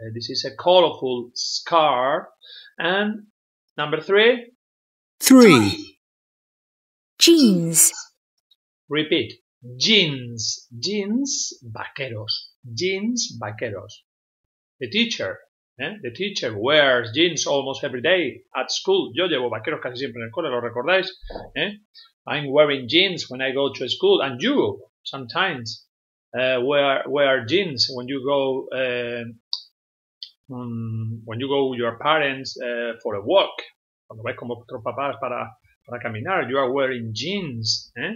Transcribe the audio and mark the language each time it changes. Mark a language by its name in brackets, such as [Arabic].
[English] This is a colorful scarf. And number three? Three. Jeans. Repeat. Jeans. Jeans vaqueros. Jeans vaqueros. The teacher. The teacher wears jeans almost every day at school. [Spanish] Yo llevo vaqueros casi siempre en el cole, ¿lo recordáis? [English] I'm wearing jeans when I go to school. And you sometimes wear jeans when you go with your parents for a walk. [Spanish] Cuando vais con vuestros papás para caminar, [English] you are wearing jeans.